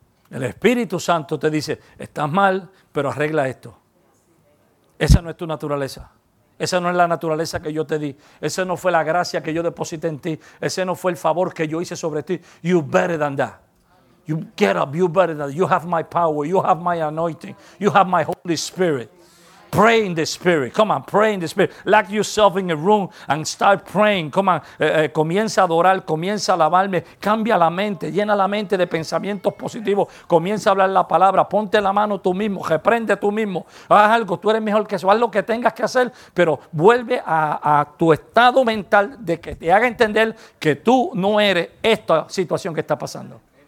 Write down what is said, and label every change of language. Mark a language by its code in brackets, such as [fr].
[es] El Espíritu Santo te dice, estás mal, pero arregla esto. Esa no es tu naturaleza. Esa no es la naturaleza que yo te di. Esa no fue la gracia que yo deposité en ti. Ese no fue el favor que yo hice sobre ti. [en] You better than that. You get up, you better than that. You have my power, you have my anointing. You have my Holy Spirit. Pray in the Spirit. Come on, pray in the Spirit. Lock yourself in a room and start praying. Come on, [es] comienza a adorar, comienza a alabarme. Cambia la mente, llena la mente de pensamientos positivos. Comienza a hablar la palabra. Ponte la mano tú mismo, reprende tú mismo. Haz algo, tú eres mejor que eso. Haz lo que tengas que hacer, pero vuelve a tu estado mental de que te haga entender que tú no eres esta situación que está pasando.